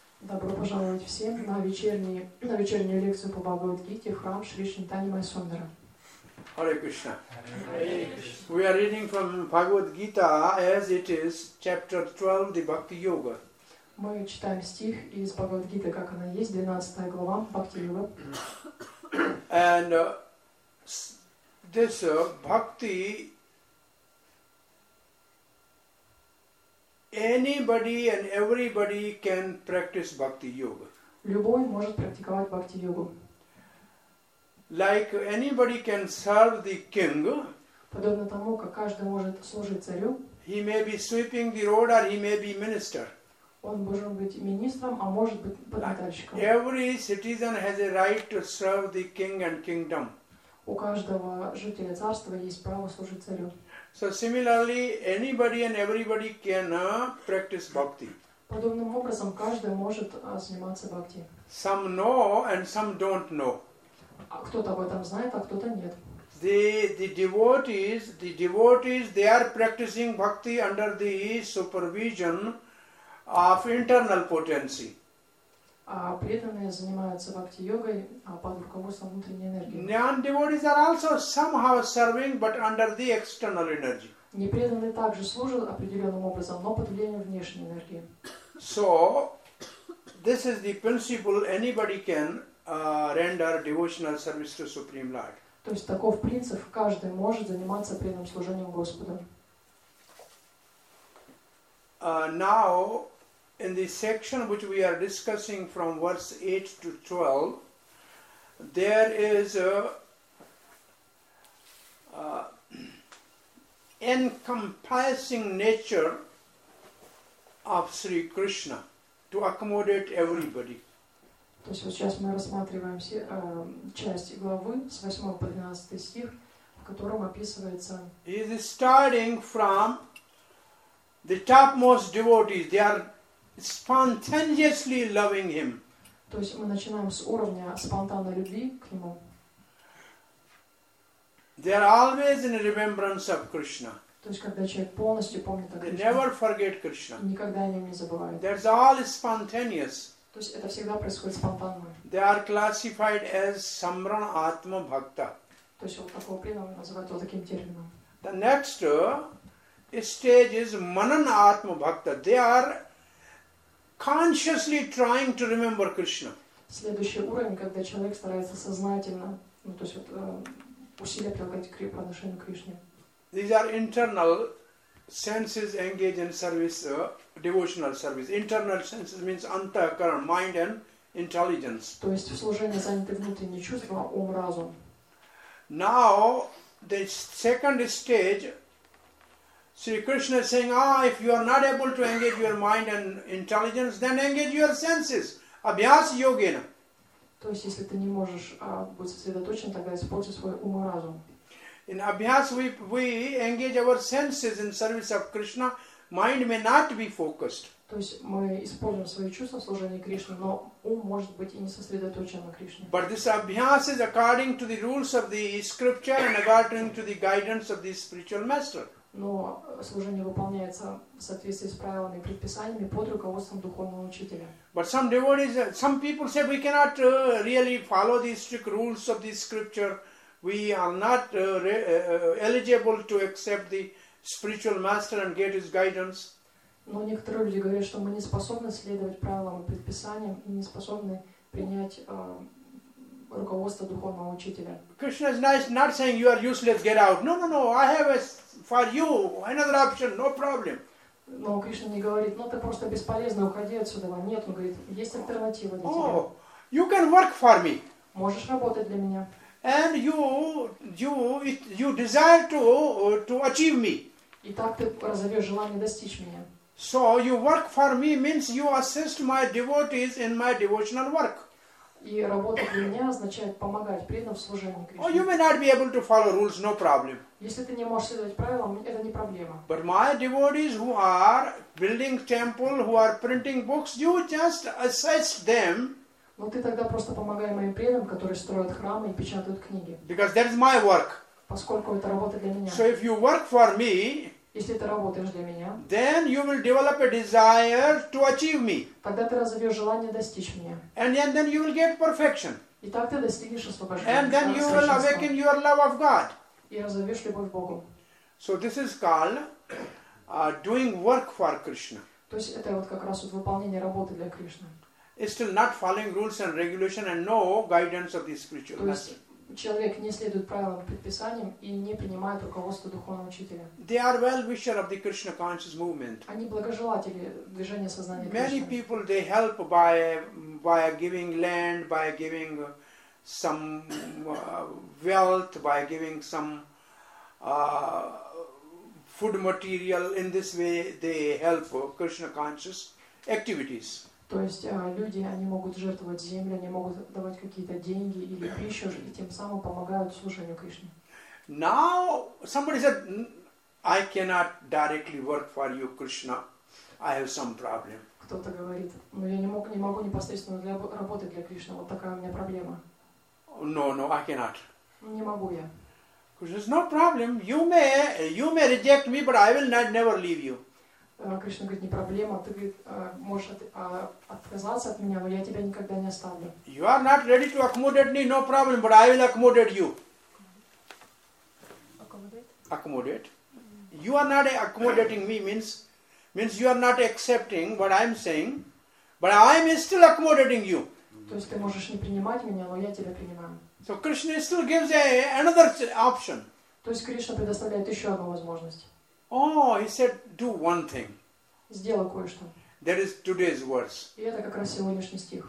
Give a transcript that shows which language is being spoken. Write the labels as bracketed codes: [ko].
[ru] Добро пожаловать всем на вечернюю лекцию по Бхагавад-гите в храм Шри Шинтанимай Сундара. [en] Hare Krishna. Hare. We are reading from Bhagavad Gita as it is, chapter 12, the Bhakti Yoga. [ru] Мы читаем стих из Бхагавад Гиты, как она есть, 12 глава Бхакти Йога. [en] And this Bhakti, anybody and everybody can practice Bhakti Yoga. [ru] Любой может практиковать Бхакти Йогу. [en] Like anybody can serve the king, [ru] подобно тому, как каждый может служить царю, [en] he may be sweeping the road or he may be minister. [ru] Он может быть министром, а может быть подметальщиком. [en] Every citizen has a right to serve the king and kingdom. [ru] У каждого жителя царства есть право служить царю. [en] So similarly, anybody and everybody can practice bhakti. [ru] Подобным образом, каждый может заниматься бхакти. [en] Some know and some don't know. [ru] Кто-то об этом знает, а кто-то нет. [en] The devotees, they are practicing bhakti under the supervision of internal potency. [ru] А преданные занимаются бхакти йогой под руководством внутренней энергии. [en] Non-devotees are also somehow serving, but under the external energy. [ru] Непреданные также служат определенным образом, но под влиянием внешней энергии. [en] So, this is the principle anybody can render devotional service to Supreme Lord. [ru] То есть таков принцип, каждый может заниматься преданным служением Господу. [en] Now, in the section which we are discussing from verse 8 to 12, there is an encompassing nature of Sri Krishna to accommodate everybody. [ru] То есть вот сейчас мы рассматриваем часть главы с 8 по 12 стих, в котором описывается. [en] He is starting from the topmost devotees. They are spontaneously loving him. [ru] То есть мы начинаем с уровня спонтанной любви к нему. [en] They are always in remembrance of Krishna. [ru] То есть когда человек полностью помнит о Кришне. [en] They never forget Krishna. [ru] Никогда о нем не забывают. [en] That's all spontaneous. [ru] То есть это всегда происходит спонтанно. [en] They are classified as Samran Atma Bhakta. [ru] То есть вот такого преданного называют вот таким термином. [en] The next stage is Manan Atma Bhakta. They are consciously trying to remember Krishna. [ru] Следующий уровень, когда человек старается сознательно, ну то есть вот усилия прилагать к отношению к Кришне. [en] These are internal senses engaged in service, devotional service. Internal senses means antakaran, mind and intelligence. [ru] То есть в служении заняты внутренние чувства, ум, разум. [en] Now, the second stage, Sri Krishna is saying, if you are not able to engage your mind and intelligence, then engage your senses. [sa] Abhyas yogena. [ru] То есть если ты не можешь быть сосредоточен, тогда используй свой ум и разум. [en] In abhyas, we engage our senses in service of Krishna. Mind may not be focused. [ru] То есть мы используем свои чувства в служении Кришне, но ум может быть и не сосредоточен на Кришне. [en] But this abhyas is according to the rules of the scripture and according to the guidance of the spiritual master. [ru] Но служение выполняется в соответствии с правилами и предписаниями под руководством духовного учителя. [en] But some devotees, some people say we cannot really follow the strict rules of the scripture. We are not eligible to accept the spiritual master and get his guidance. [ru] Но некоторые люди говорят, что мы не способны следовать правилам и предписаниям и не способны принять руководство духовного учителя. [en] Krishna is not saying you are useless, get out. No, I have for you another option, no problem. [ru] Но Кришна не говорит, ты просто бесполезно, уходи отсюда. Нет, он говорит, есть альтернатива для тебя. [en] You can work for me. [ru] Можешь работать для меня. [en] And you desire to achieve me. [ru] И так ты разовешь желание достичь меня. [en] So you work for me means you assist my devotees in my devotional work. [ru] И работа для меня означает помогать преданным в служении Кришне. [en] Oh, you may not be able to follow rules, no problem. [ru] Если ты не можешь следовать правилам, это не проблема. [en] But my devotees who are building temple, who are printing books, you just assist them. [ru] Но ты тогда просто помогай моим преданным, которые строят храмы и печатают книги. [en] Because that is my work. [ru] Поскольку это работа для меня. [en] So if you work for me, [ru] если ты работаешь для меня, [en] then you will develop a desire to achieve me. [ru] Тогда ты разовьешь желание достичь меня. [en] And then you will get perfection. [ru] И так ты достигнешь освобождения. [en] And then you will awaken your love of God. [ru] И разовьешь любовь к Богу. [en] So this is called doing work for Krishna. [ru] То есть это вот как раз вот выполнение работы для Кришны. [en] It's still not following rules and regulation and no guidance of the spiritual master. [ru] Человек не следует правилам и предписаниям и не принимает руководство духовного учителя. They are well-wisher of the Krishna conscious movement. Они благожелатели движения сознания [en] Many [ru] Кришны. [en] Many people they help by giving land, by giving some wealth, by giving some food material. In this way they help Krishna conscious activities. [ru] То есть люди, они могут жертвовать землю, они могут давать какие-то деньги или пищу, и тем самым помогают служению Кришне. [en] Now somebody said, I cannot directly work for you, Krishna. I have some problem. [ru] Кто-то говорит, ну я не могу непосредственно для работы для Кришны, вот такая у меня проблема. [en] No, I cannot. [ru] Не могу я. [en] Krishna says, no problem. You may reject me, but I will never leave you. [ru] Кришна говорит, не проблема, ты можешь отказаться от меня, но я тебя никогда не оставлю. [en] You are not ready to accommodate me, no problem, but I will accommodate you. Accommodate? You are not accommodating me means you are not accepting what I am saying, but I am still accommodating you. [ru] То есть ты можешь не принимать меня, но я тебя принимаю. [en] So Krishna still gives another option. [ru] То есть Кришна предоставляет еще одну возможность. [en] Oh, he said, do one thing. [ru] Сделай кое-что. [en] That is today's verse. [ru] И это как раз сегодняшний стих.